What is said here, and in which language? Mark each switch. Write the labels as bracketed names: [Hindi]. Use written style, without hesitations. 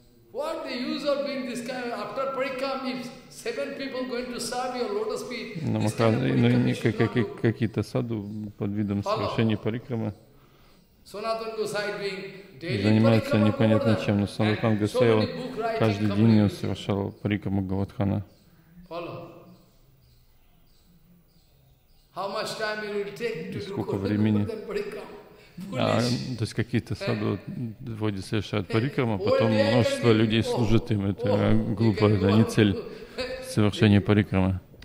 [English] What the use of being this kind of, after parikram, if seven people going to serve your lotus feet, no, this kind of parikram is not good. [Russian] Какие-то саду под видом совершения парикрама занимаются непонятно чем, но Санатан Гусай каждый день совершал парикраму Говардхана. [English] How much time it will take to do more than parikram? [Russian] То есть какие-то саду вроде совершают парикрама, потом множество людей служит им. Это глупо, это не цель совершения парикрама.